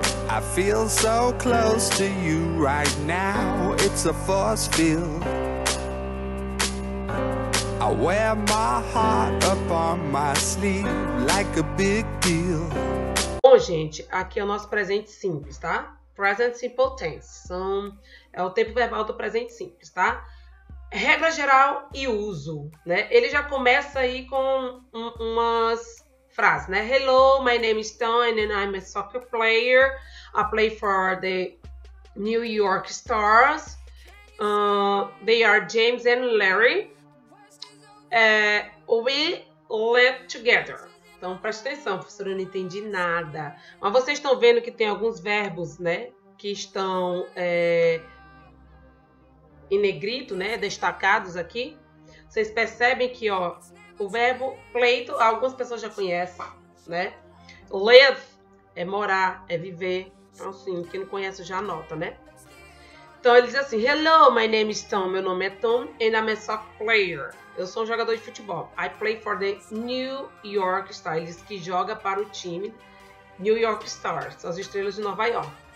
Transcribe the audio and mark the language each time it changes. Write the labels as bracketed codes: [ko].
[en] I feel so close to you right now, it's a force field. I wear my heart upon my sleeve like a big deal. [pt] Bom, gente, aqui é o nosso presente simples, tá? Present Simple Tense, é o tempo verbal do presente simples, tá? Regra geral e uso, né? Ele já começa aí com umas frases, né? [en] Hello, my name is Tony and I'm a soccer player. I play for the New York Stars. They are James and Larry. We live together. [pt] Então, presta atenção, professora, eu não entendi nada. Mas vocês estão vendo que tem alguns verbos, né? Que estão em negrito, né? Destacados aqui. Vocês percebem que, ó, o verbo pleito, algumas pessoas já conhecem, né? Live é morar, é viver. Então, assim, quem não conhece já anota, né? Então, ele diz assim: [en] Hello, my name is Tom. [pt] Meu nome é Tom [en] and I'm a soccer player. [pt] Eu sou um jogador de futebol. [en] I play for the New York Stars. [pt] Ele diz que joga para o time New York Stars, as estrelas de Nova York.